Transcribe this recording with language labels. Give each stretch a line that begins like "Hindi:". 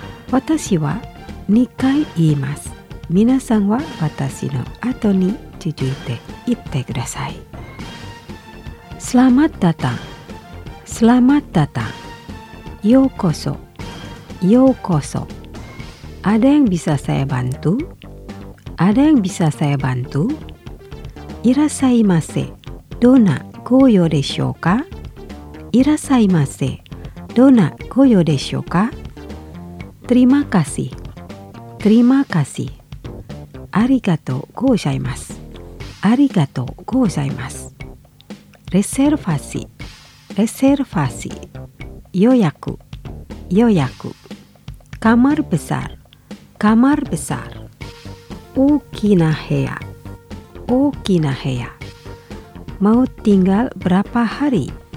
Japanese: 私は2回言います。皆さんは私の後に続いて言ってください。
Indonesian: スラマッタタン、スラマッタタン、
Japanese: ようこそ、ようこそ。
Indonesian: ada yang bisa saya bantu? ada yang bisa saya bantu?
Japanese: いらっしゃいませ、どんなご用でしょうか？いらっしゃいませ、どんなご用でしょうか？
Indonesian: terima kasih、terima kasih、
Japanese: ありがとうございます、ありがとうございます。
Indonesian: reservasi、reservasi、
Japanese: 予約、予約。
Indonesian: kamar besar、kamar besar、
Japanese: 大きな部屋、大きな部屋。
Indonesian: mau tinggal berapa hari?